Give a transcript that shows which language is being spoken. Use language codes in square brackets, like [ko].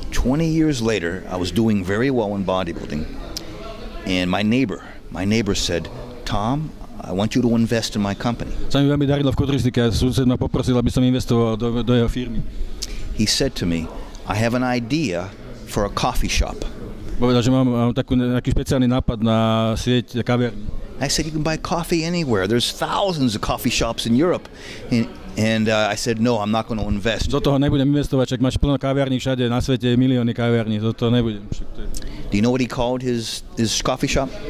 [en] 20 years later, I was doing very well in bodybuilding. And my neighbor said, "Tom, I want you to invest in my company." [sk] Sa mi veľmi darilo v kulturistike, sused ma poprosil, aby som investoval do jeho firmy. [en] He said to me, "I have an idea for a coffee shop." [sk] Povedal, že mám taký špeciálny nápad na sieť kaviár. [en] I said, "You can buy coffee anywhere. There's thousands of coffee shops in Europe." And I said, "No, I'm not going to invest." [sk] Do toho nebudem investovať, však máš plno kaviarní všade na svete, milióny kaviarní, do toho nebudem. [en] Do you know what he called his coffee shop?